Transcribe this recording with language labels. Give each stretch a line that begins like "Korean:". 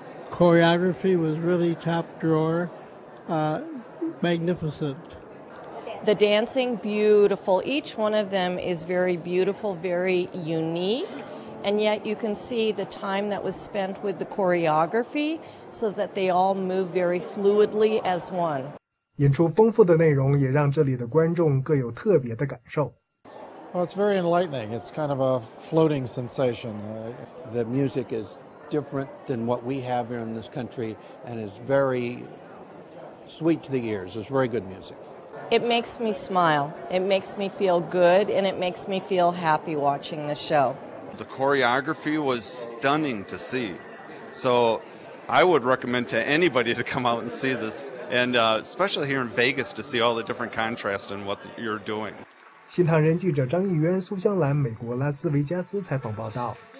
English: Choreography was really top drawer. Magnificent. The dancing, beautiful. Each one of them is very beautiful, very unique. And yet you can see the time that was spent with the choreography so that they all move very fluidly as one.
Chinese: 演出丰富的内容也让这里的观众各有特别的感受。
English: Well, it's very enlightening. It's kind of a floating sensation. The music is different than what we have here in this country and is very sweet to the ears. It's very good music. It makes me smile. It makes me feel good, and it makes me feel happy watching the show. The choreography was stunning to see. So I would recommend to anybody to come out and see this, and especially here in Vegas, to see all the different contrast in what you're doing.
Chinese: 新唐人记者张艺渊、苏江兰，美国拉斯维加斯采访报道。